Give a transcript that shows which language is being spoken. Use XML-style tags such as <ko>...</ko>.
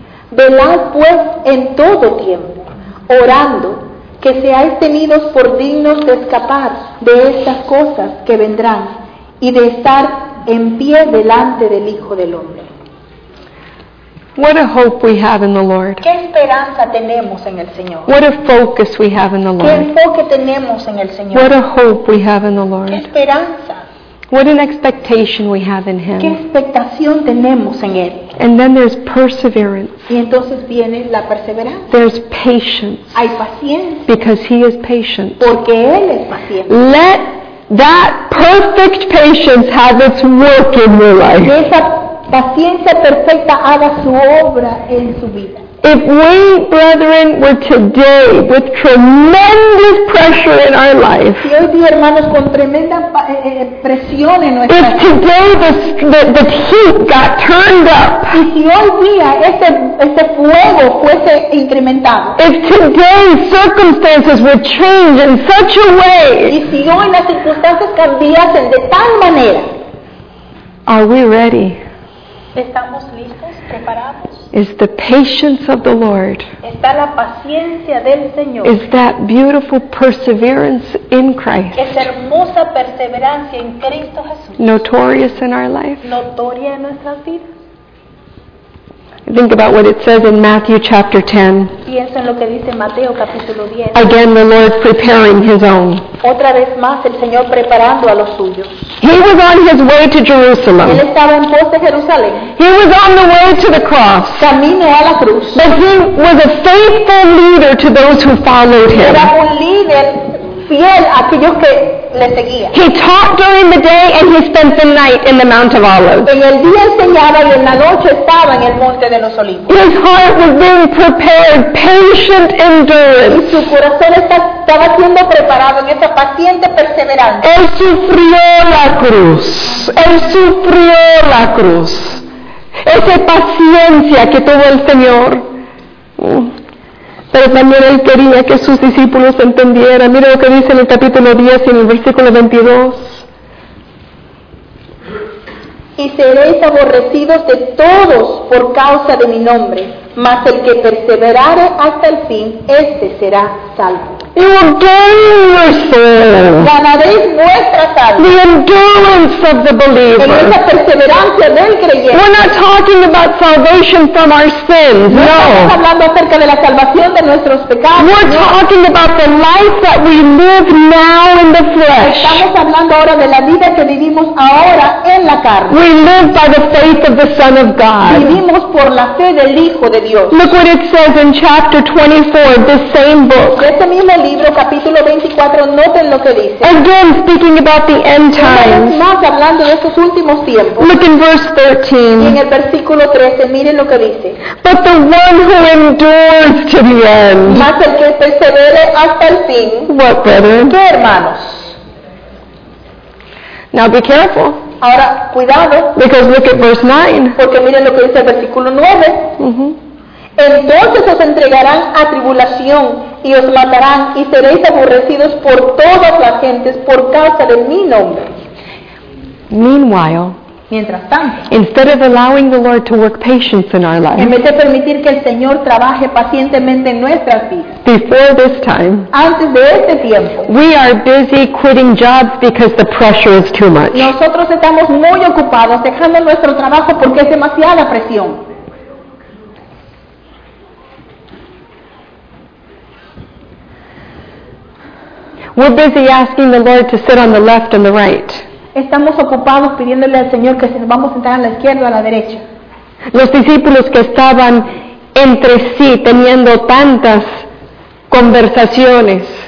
<es>Velad pues en todo tiempo, orando, que seáis tenidos por dignos de escapar de estas cosas que vendrán y de estar en pie delante del Hijo del Hombre.</es> <en>What a hope we have in the Lord.</en> <es>¿Qué esperanza tenemos en el Señor?</es> <en>What a focus we have in the Lord.</en> <es>¿Qué enfoque tenemos en el Señor?</es> <en>What a hope we have in the Lord.</en> <es>¿Qué esperanza?</es> <en>What an expectation we have in Him.</en> <es>¿Qué expectación tenemos en Él?</es> <en>And then there's perseverance.</en> <es>Y entonces viene la perseverancia.</es> <en>There's patience.</en> <es>Hay paciencia.</es> <en>Because He is patient.</en> <es>Porque Él es paciente.</es> <en>Let that perfect patience have its work in your life.</en> <es>Que esa paciencia perfecta haga su obra en su vida.</es> <en>If we, brethren, were today with tremendous pressure in our life,</en> <es>si hoy día, hermanos, con tremenda presión en nuestra</es> <en>if today the heat got turned up,</en> <es>y si hoy día ese fuego fuese incrementado,</es> <en>if today circumstances would change in such a way,</en> <es>y si hoy las circunstancias cambiasen de tal manera,</es> <en>are we ready?</en> <es>¿Estamos listos, preparados?</es> <en>Is the patience of the Lord?</en> <es>Está la paciencia del Señor.</es> <en>Is that beautiful perseverance in Christ?</en> <es>Es hermosa perseverancia en Cristo Jesús.</es> <en>Notorious in our life.</en> <es>Notoria en nuestras vidas.</es> <en>Think about what it says in Matthew chapter 10.</en> <es>Piensa en lo que dice Mateo capítulo 10.</es> <en>Again, the Lord preparing His own.</en> <es>Otra vez más el Señor preparando a los suyos.</es> <en>He was on his way to Jerusalem.</en> <es>Él estaba en pos de Jerusalén.</es> <en>He was on the way to the cross.</en> <es>Camino a la cruz.</es> <en>But he was a faithful leader to those who followed him.</en> <es>Era un líder fiel a aquellos que le seguían.</es> <en>He taught during the day and he spent the night in the Mount of Olives.</en> <es>En el día enseñaba y en la noche estaba en el Monte de los Olivos.</es> <en>His heart was being prepared, patient endurance.</en> <es>Y su corazón estaba siendo preparado en esa paciente perseverancia. Él sufrió la cruz. Él sufrió la cruz. Esa paciencia que tuvo el Señor. Pero también él quería que sus discípulos entendieran. Mira lo que dice en el capítulo 10 y en el versículo 22. Y seréis aborrecidos de todos por causa de mi nombre, mas el que perseverare hasta el fin, este será salvo.</es> <en>You will gain your soul.</en> <es>Ganaréis vuestra salva.</es> <en>The endurance of the believer.</en> <es>En esa perseverancia del creyente.</es> <en>We're not talking about salvation from our sins.</en> <es>No. No estamos hablando acerca de la salvación de nuestros pecados.</es> <en>We're talking about the life that we live now in the flesh.</en> <es>Estamos hablando ahora de la vida que vivimos ahora en la carne.</es> <en>We live by the faith of the Son of God.</en> <es>Vivimos por la fe del Hijo de Dios.</es> <en>Look what it says in chapter 24, the same book.</en> <es>El libro capítulo 24, noten lo que dice.</es> <en>Again, speaking about the end times.</en> <es>Una vez más hablando de estos últimos tiempos.</es> <en>Look in verse 13.</en> <es>Y en el versículo 13, miren lo que dice.</es> <en>But the one who endures to the end.</en> <es>Mas el que persevere hasta el fin.</es> <en>What, brethren?</en> <es>¿Qué, hermanos?</es> <en>Now be careful.</en> <es>Ahora, cuidado.</es> <en>Because look at verse 9.</en> <es>Porque miren lo que dice el versículo 9. Entonces os entregarán a tribulación y os matarán y seréis aborrecidos por todas las gentes por causa de mi nombre.</es> <en>Meanwhile,</en> <es>mientras tanto,</es> <en>instead of allowing the Lord to work patience in our lives,</en> <es>en vez de permitir que el Señor trabaje pacientemente en nuestras vidas,</es> <en>before this time,</en> <es>antes de este tiempo,</es> <en>we are busy quitting jobs because the pressure is too much.</en> <es>Nosotros estamos muy ocupados dejando nuestro trabajo porque es demasiada presión.</es> <en>We're busy asking the Lord to sit on the left and the right.</en> <es>Estamos ocupados pidiéndole al Señor que se nos vamos a sentar a la izquierda o a la derecha. Los discípulos que estaban entre sí teniendo tantas conversaciones.</es>